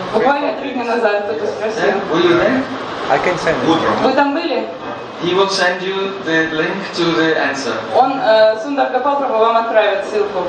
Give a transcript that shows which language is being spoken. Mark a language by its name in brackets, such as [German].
[Russian] Буквально 3 дня назад кто-то спросил. [English] Were you there? I can send it. [Russian] Вы там были? [English] He will send you the link to the answer. [Russian] Он Сундар Гопалпрабху вам отправит ссылку.